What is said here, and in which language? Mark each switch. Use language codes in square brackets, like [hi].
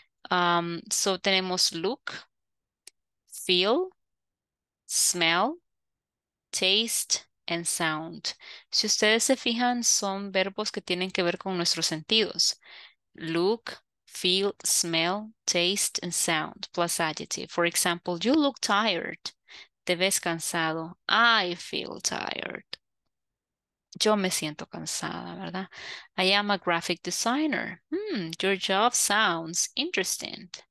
[es] So tenemos look, feel, smell, taste, and sound. Si ustedes se fijan, son verbos que tienen que ver con nuestros sentidos. [en] Look, feel, smell, taste, and sound, plus adjective. For example, you look tired. [es] Te ves cansado. [en] I feel tired. [es] Yo me siento cansada, ¿verdad? [en] I am a graphic designer. Your job sounds interesting.